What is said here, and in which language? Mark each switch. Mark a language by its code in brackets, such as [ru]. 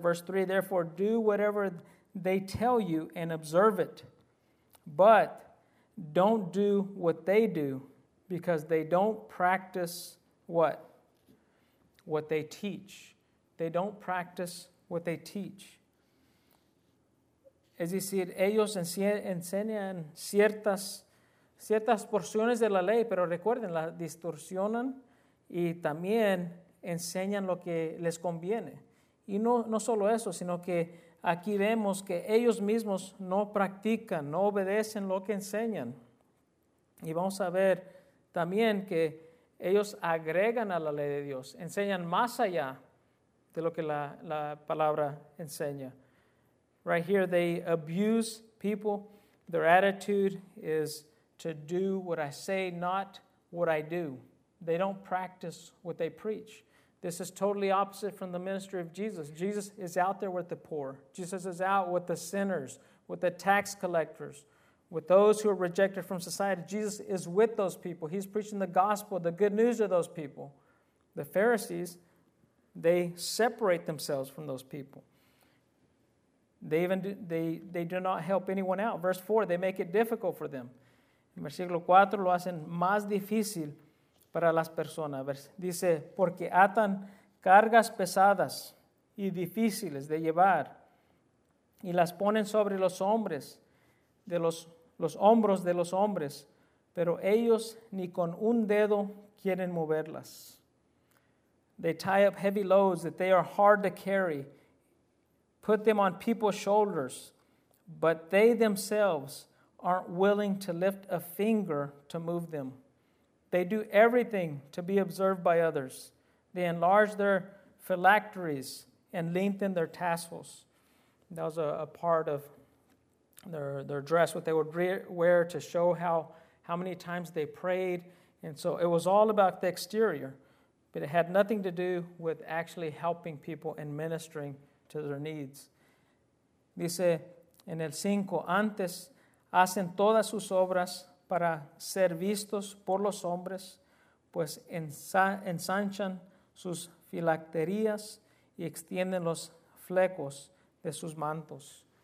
[en] Verse 3, therefore, do whatever they tell you and observe it. But don't do what they do, because they don't practice what? What they teach. They don't practice what they teach. [es] Es decir, ellos enseñan ciertas porciones de la ley, pero recuerden, la distorsionan y también enseñan lo que les conviene. Y no solo eso, sino que aquí vemos que ellos mismos no practican, no obedecen lo que enseñan. Y vamos a ver también que ellos agregan a la ley de Dios, enseñan más allá de lo que la palabra enseña. [en] Right here, they abuse people. Their attitude is to do what I say, not what I do. They don't practice what they preach. This is totally opposite from the ministry of Jesus. Jesus is out there with the poor. Jesus is out with the sinners, with the tax collectors, with those who are rejected from society. Jesus is with those people. He's preaching the gospel, the good news to those people. The Pharisees, they separate themselves from those people. They do not help anyone out. Verse 4, they make it difficult for them. [es] En versículo 4, lo hacen más difícil para las personas. Dice, porque atan cargas pesadas y difíciles de llevar y las ponen sobre los hombres, los hombros de los hombres, pero ellos ni con un dedo quieren moverlas. [en] They tie up heavy loads that they are hard to carry, put them on people's shoulders, but they themselves aren't willing to lift a finger to move them. They do everything to be observed by others. They enlarge their phylacteries and lengthen their tassels. That was a part of their dress, what they would wear to show how many times they prayed. And so it was all about the exterior, but it had nothing to do with actually helping people and ministering to their needs. [es] Dice en el 5, antes hacen todas sus obras para ser vistos por los hombres, pues ensanchan sus filacterias y extienden los flecos de sus mantos.